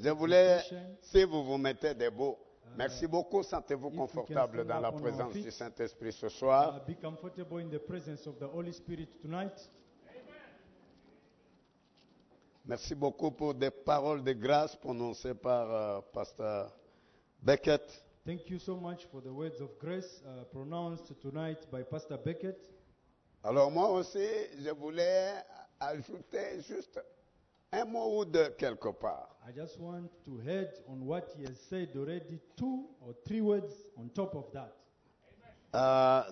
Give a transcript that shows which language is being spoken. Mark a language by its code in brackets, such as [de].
[fr] je voulais, si vous vous mettez debout, merci beaucoup, sentez-vous confortable dans la présence [en] feet, [fr] du Saint-Esprit ce soir. [en] Be comfortable in the presence of the Holy Spirit tonight. [fr] Amen. Merci beaucoup pour des paroles de grâce prononcées par Pasteur Beckett. [en] Thank you so much for the words of grace pronounced tonight by Pastor Beckett. [fr] Alors moi aussi, je voulais ajouter juste un mot ou deux quelque part. [en] I just want to head on what he has said already, two or three words on top of that.